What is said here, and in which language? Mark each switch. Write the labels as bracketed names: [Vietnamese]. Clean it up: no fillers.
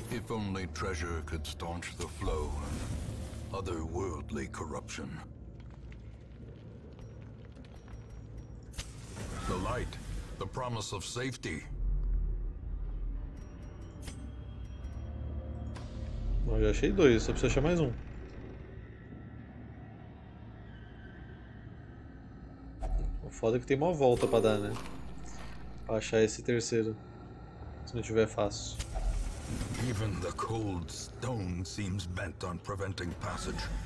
[English] Only treasure could staunch the flow of otherworldly corruption. The light, the promise of safety. [Portuguese] Bom, já achei dois, só preciso achar mais um. O foda é que tem uma volta pra dar, né? Pra achar esse terceiro. Se não tiver fácil. [English] Even the cold stone seems bent on preventing passage.